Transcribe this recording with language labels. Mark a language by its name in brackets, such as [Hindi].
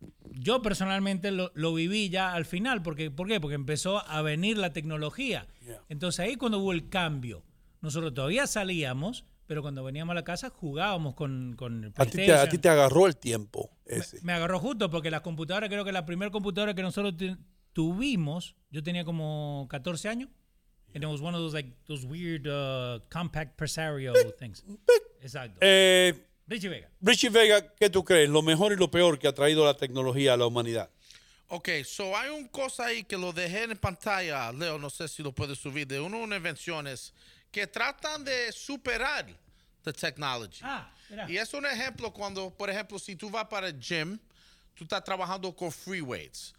[Spanish] Yo personalmente lo viví ya al final, ¿por qué? Porque empezó a venir la tecnología. Entonces ahí cuando hubo el cambio, nosotros todavía salíamos, pero cuando veníamos a la casa jugábamos con el PlayStation. A ti te agarró el tiempo ese. Me agarró justo porque las computadoras, creo que la primera computadora que nosotros tuvimos, yo tenía como 14 años. [English] And it was one of those, like, those weird compact presario things. [Spanish] Exacto. Richie Vega. Richie Vega, ¿qué tú crees? ¿Lo mejor y lo peor que ha traído la tecnología a la humanidad? Ok, so hay un cosa ahí que lo dejé en pantalla, Leo, no sé si lo puedes subir, de una invención es... que tratan de superar la tecnología. Ah, y es un ejemplo cuando, por ejemplo, si tú vas para el gym, tú estás trabajando con free weights.